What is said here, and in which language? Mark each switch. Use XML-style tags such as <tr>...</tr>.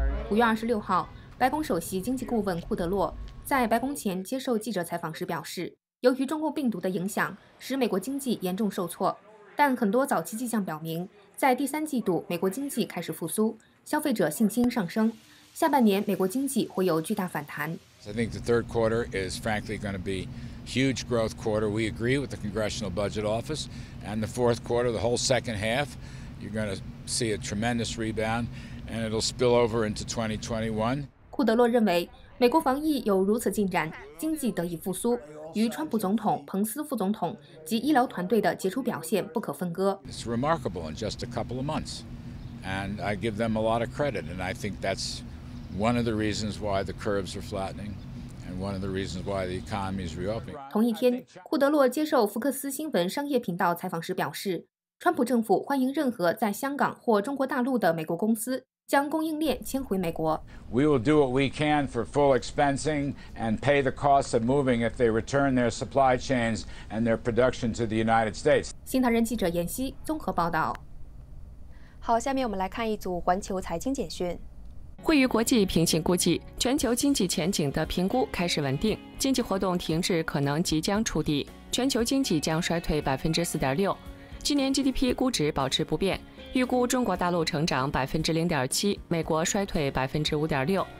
<zh>5月26号，白宫首席经济顾问库德洛在白宫前接受记者采访时表示，由于中共病毒的影响，使美国经济严重受挫，但很多早期迹象表明，在第三季度美国经济开始复苏，消费者信心上升，下半年美国经济会有巨大反弹。</zh> <en>I think the third quarter is frankly going to be huge growth quarter. We agree with the Congressional Budget Office, and the fourth quarter, the whole second half, you're going to see a tremendous rebound, and it'll spill over into 2021.</en> <zh>库德洛认为，美国防疫有如此进展，经济得以复苏，与川普总统、彭斯副总统及医疗团队的杰出表现不可分割。</zh> <en>It's remarkable in just a couple of months, and I give them a lot of credit. And I think that's one of the reasons why the curves are flattening, and one of the reasons why the economy is reopening.</en> <zh>同一天，库德洛接受福克斯新闻商业频道采访时表示，川普政府欢迎任何在香港或中国大陆的美国公司。将供应链迁回美国。</zh> <en>We will do what we can for full expensing and pay the cost of moving if they return their supply chains and their production to the United States.</en> <zh>新唐人记者闫希综合报道。好，下面我们来看一组环球财经简讯。惠誉国际平行估计，全球经济前景的评估开始稳定，经济活动停滞可能即将触底，全球经济将衰退4.6%，今年 GDP 估值保持不变。预估中国大陆成长0.7%，美国衰退5.6%。</zh>